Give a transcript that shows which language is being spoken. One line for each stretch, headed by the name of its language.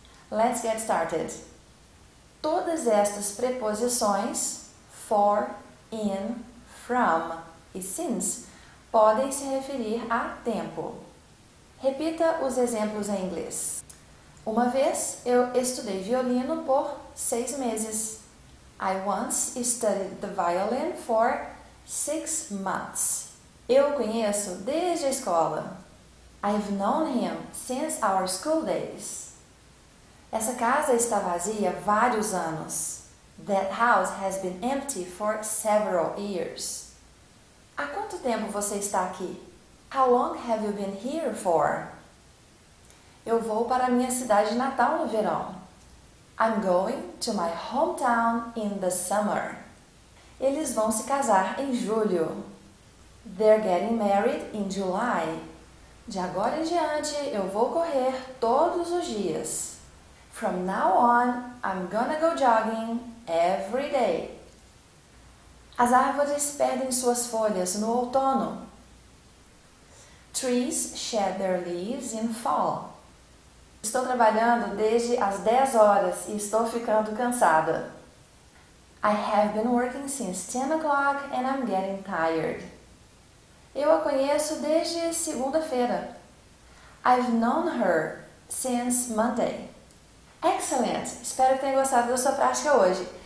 English: Let's get started!
Portuguese: Todas estas preposições for, in, from e since podem se referir a tempo. Repita os exemplos em inglês. Uma vez eu estudei violino por 6 meses.
English: I once studied the violin for 6 months.
Portuguese: Eu o conheço desde a escola.
English: I've known him since our school days.
Portuguese: Essa casa está vazia há vários anos.
English: That house has been empty for several years.
Portuguese: Há quanto tempo você está aqui?
English: How long have you been here for?
Portuguese: Eu vou para a minha cidade natal no verão.
English: I'm going to my hometown in the summer.
Portuguese: Eles vão se casar em julho.
English: They're getting married in July.
Portuguese: De agora em diante, eu vou correr todos os dias.
English: From now on, I'm gonna go jogging every day.
Portuguese: As árvores perdem suas folhas no outono.
English: Trees shed their leaves in fall.
Portuguese: Estou trabalhando desde as 10 horas e estou ficando cansada.
English: I have been working since 10 o'clock and I'm getting tired.
Portuguese: Eu a conheço desde segunda-feira.
English: I've known her since Monday. Excellent!
Portuguese: Espero que tenha gostado da sua prática hoje.